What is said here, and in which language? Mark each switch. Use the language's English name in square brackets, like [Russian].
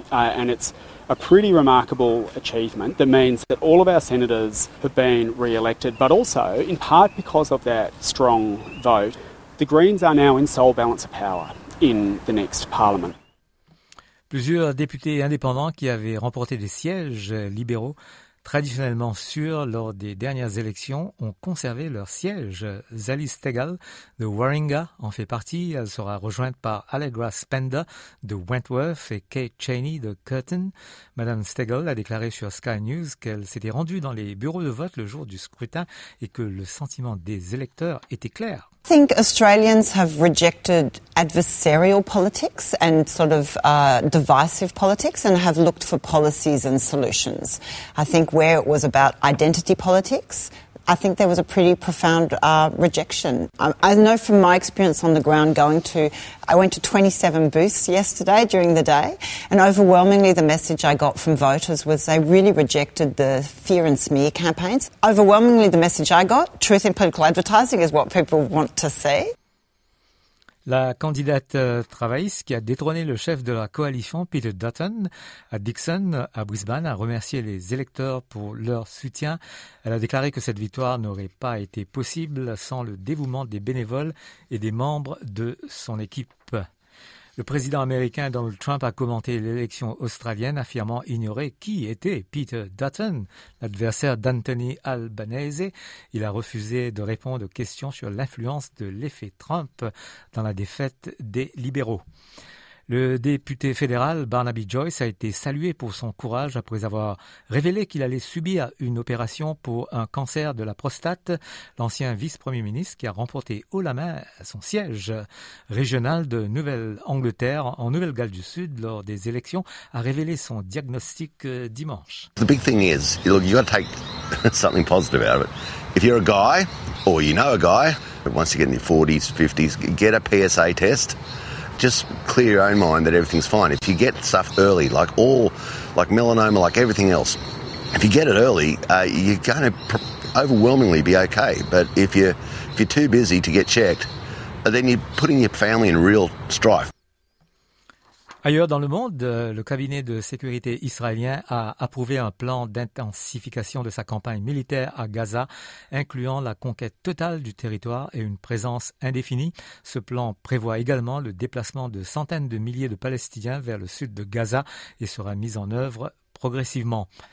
[English] And it's a pretty remarkable achievement that means that all of our senators have been re-elected, but also in part because of that strong vote, the Greens are now in sole balance of power in the next parliament. [French] Plusieurs députés indépendants qui avaient remporté des sièges libéraux traditionnellement sûrs lors des dernières élections ont conservé leur siège. Zali Steggall de Warringah en fait partie. Elle sera rejointe par Allegra Spender de Wentworth et Kate Cheney de Curtin. Madame Steggall a déclaré sur Sky News qu'elle s'était rendue dans les bureaux de vote le jour du scrutin et que le sentiment des électeurs était clair. [English] I think Australians have rejected adversarial politics and sort of divisive politics and have looked for policies and solutions. I think where it was about identity politics, I think there was a pretty profound rejection. I know from my experience on the ground I went to 27 booths yesterday during the day, and overwhelmingly the message I got from voters was they really rejected the fear and smear campaigns. Overwhelmingly the message I got, truth in political advertising is what people want to see. [French] La candidate travailliste qui a détrôné le chef de la coalition, Peter Dutton, à Dixon, à Brisbane, a remercié les électeurs pour leur soutien. Elle a déclaré que cette victoire n'aurait pas été possible sans le dévouement des bénévoles et des membres de son équipe. Le président américain Donald Trump a commenté l'élection australienne, affirmant ignorer qui était Peter Dutton, l'adversaire d'Anthony Albanese. Il a refusé de répondre aux questions sur l'influence de l'effet Trump dans la défaite des libéraux. Le député fédéral Barnaby Joyce a été salué pour son courage après avoir révélé qu'il allait subir une opération pour un cancer de la prostate. L'ancien vice-premier ministre qui a remporté haut la main son siège régional de Nouvelle-Angleterre en Nouvelle-Galles du Sud lors des élections a révélé son diagnostic dimanche. [English] The big thing is, look, you got to take something positive out of it. If you're a guy or you know a guy, once you get in your 40s, 50s, get a PSA test. Just clear your own mind that everything's fine. If you get stuff early, like melanoma, like everything else, if you get it early, you're going to overwhelmingly be okay. But if you're too busy to get checked, then you're putting your family in real strife. [French] Ailleurs dans le monde, le cabinet de sécurité israélien a approuvé un plan d'intensification de sa campagne militaire à Gaza, incluant la conquête totale du territoire et une présence indéfinie. Ce plan prévoit également le déplacement de centaines de milliers de Palestiniens vers le sud de Gaza et sera mis en œuvre progressivement.